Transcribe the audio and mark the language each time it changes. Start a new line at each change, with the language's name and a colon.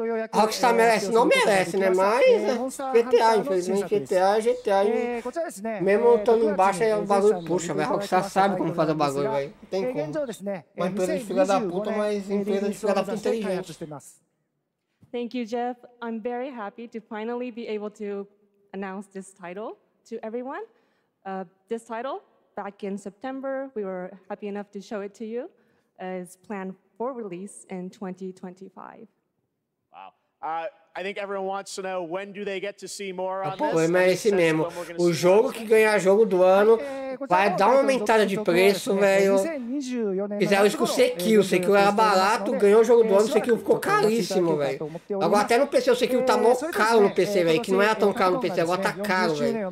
Portuguese: Rockstar merece, não merece, né? Mas GTA, infelizmente, GTA. Mesmo estando embaixo, o bagulho puxa, velho. Rockstar sabe como fazer o bagulho, velho. Não tem como. Uma empresa de filha da puta, mas empresa de filha da puta inteligente.
English: Thank you, Jeff. I'm very happy to finally be able to announce this title to everyone. This title, back in September, we were happy enough to show it to you. It's planned for release in 2025. Wow. I think everyone wants to know when do they get to see more on this.
Portuguese: O problema é esse mesmo. O jogo que ganhar jogo do ano vai dar uma aumentada de preço, velho. Fizeram isso com o Sekiro. O Sekiro era barato, ganhou o jogo do ano, o Sekiro ficou caríssimo, velho. Agora até no PC, o Sekiro tá mó caro no PC, velho. Que não era tão caro no PC, agora tá caro, velho.